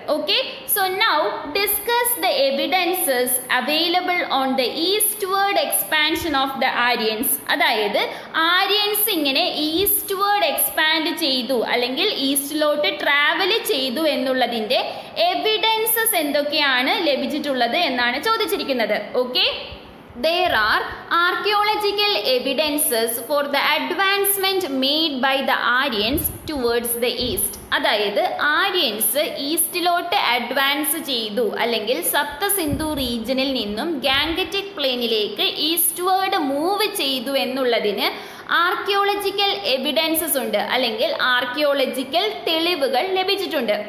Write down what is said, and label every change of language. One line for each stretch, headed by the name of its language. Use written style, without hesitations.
English: Okay, so now discuss the evidences available on the eastward expansion of the Aryans.
Malayalam: അതായത് Aryans ഇങ്ങനെ ഈസ്റ്റ്വേർഡ് expand ചെയ്തു അല്ലെങ്കിൽ ഈസ്റ്റിലോട്ട് travel ചെയ്തു എന്നുള്ളതിൻ്റെ എവിഡൻസസ് എന്തൊക്കെയാണ് ലഭിച്ചിട്ടുള്ളത് എന്നാണ് ചോദിച്ചിരിക്കുന്നത്.
English: Okay, There are archaeological evidences for the advancement made by the Aryans towards the east.
Malayalam: അതായത് ആര്യൻസ് ഈസ്റ്റിലോട്ട് അഡ്വാൻസ് ചെയ്തു അല്ലെങ്കിൽ സപ്തസിന്ധു റീജ്യനിൽ നിന്നും ഗാംഗറ്റിക് പ്ലെയിനിലേക്ക് ഈസ്റ്റ്വേർഡ് മൂവ് ചെയ്തു എന്നുള്ളതിന് ആർക്കിയോളജിക്കൽ എവിഡൻസസ് ഉണ്ട് അല്ലെങ്കിൽ ആർക്കിയോളജിക്കൽ തെളിവുകൾ ലഭിച്ചിട്ടുണ്ട്.